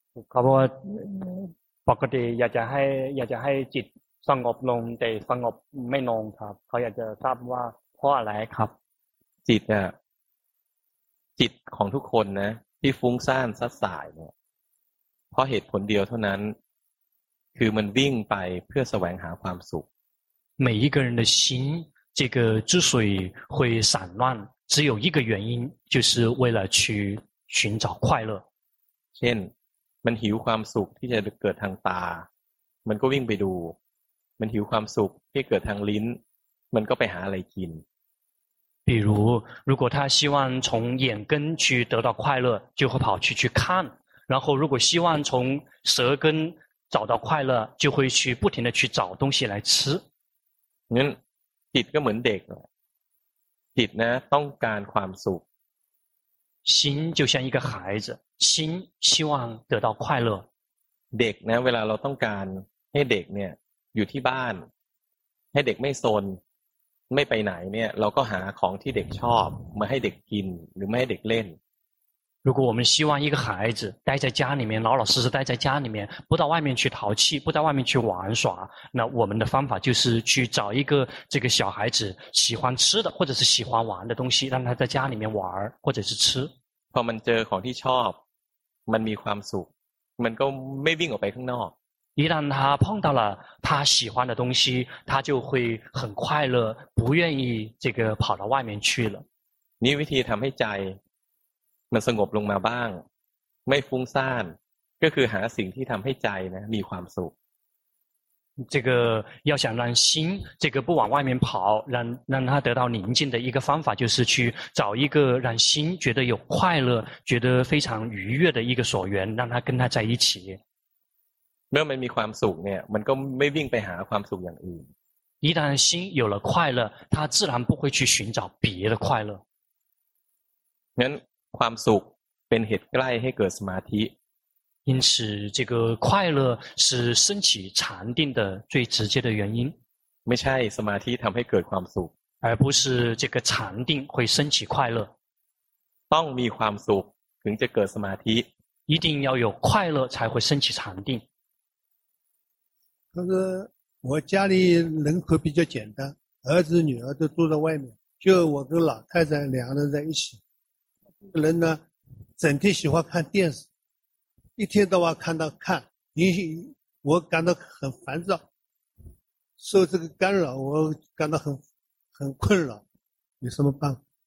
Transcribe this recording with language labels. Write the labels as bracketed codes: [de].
[th] เขาบอกว่าปกติอยากจะให้อยากจะให้จิตสงบลงแต่สงบไม่ลงครับเขาอยากจะทราบว่าเพราะอะไรครับ จิตเนี่ยจิตของทุกคนนะที่ฟุ้งซ่านซัดสายเนี่ยเพราะเหตุผลเดียวเท่านั้นคือมันวิ่งไปเพื่อแสวงหาความสุข [zh] 每一个人的心这个之所以会散乱只有一个原因就是为了去寻找快乐 [th] เช่นมันหิวความสุขที่จะเกิดทางตามันก็วิ่งไปดูมันหิวความสุขที่เกิดทางลิ้นมันก็ไปหาอะไรกิน [zh] 比如如果他希望从眼根去得到快乐就会跑去看然后如果希望从舌根找到快乐就会去不停的去找东西来吃 [th] งั้นจิตก็เหมือนเด็กจิตนะต้องการความสุข [zh] 心就像一个孩子心希望得到快乐 [th] เด็กนะเวลาเราต้องการให้เด็กเนี่ยอยู่ที่บ้านให้เด็กไม่ซนไม่ไปไหนเนี่ยเราก็หาของที่เด็กชอบมาให้เด็กกินหรือไม่ให้เด็กเล่น [zh] 如果我们希望一个孩子待在家里面老老实实待在家里面不到外面去淘气不到外面去玩耍那我们的方法就是去找一个这个小孩子喜欢吃的或者是喜欢玩的东西让他在家里面玩或者是吃 [th] พอมันเจอของที่ชอบมันมีความสุขมันก็ไม่วิ่งออกไปข้างนอก [zh] 一旦他碰到了他喜欢的东西他就会很快乐不愿意这个跑到外面去了 [th] นี่วิธีทำให้ใจมันสงบลงมาบ้างไม่ฟุ้งซ่านก็คือหาสิ่งที่ทำให้ใจนะมีความสุข [zh] 这个要想让心这个不往外面跑让它得到宁静的一个方法就是去找一个让心觉得有快乐觉得非常愉悦的一个所缘让它跟它在一起 [th] เมื่อมันมีความสุขเนี่ยมันก็ไม่วิ่งไปหาความสุขอย่างอื่น [zh] 一旦心有了快乐它自然不会去寻找别的快乐 [th] งั้นความสุขเป็นเหตุใกล้ให้เกิดสมาธิ [zh] 因此这个快乐是升起禅定的最直接的原因 [th] ไม่ใช่สมาธิทำให้เกิดความสุข [zh] 而不是这个禅定会升起快乐 [th] ต้องมีความสุขถึงจะเกิดสมาธิ [zh] 一定要有快乐才会升起禅定可是我家里人口比较简单儿子女儿都住在外面就我跟老太太两个人在一起人呢整天喜欢看电视一天到晚看到看我感到很烦躁受这个干扰我感到很困扰有什么办法